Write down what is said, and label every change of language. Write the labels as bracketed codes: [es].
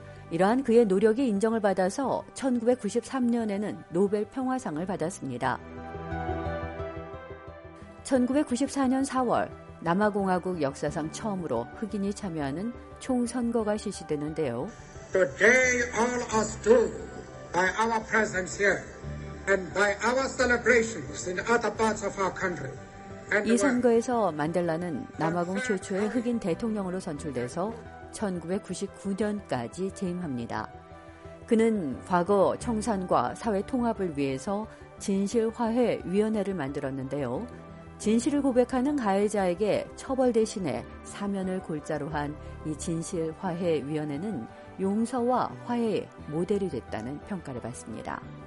[ko] 이러한 그의 노력이 인정을 받아서 1993년에는 노벨 평화상을 받았습니다. 1994년 4월 남아공화국 역사상 처음으로 흑인이 참여하는 총선거가 실시되는데요. [en] Today all us do, by our presence here and by our celebrations in other parts of our country. [ko] 이 선거에서 만델라는 남아공 최초의 흑인 대통령으로 선출돼서 1999년까지 재임합니다. 그는 과거 청산과 사회 통합을 위해서 진실화해위원회를 만들었는데요. 진실을 고백하는 가해자에게 처벌 대신에 사면을 골자로 한 이 진실화해위원회는 용서와 화해의 모델이 됐다는 평가를 받습니다.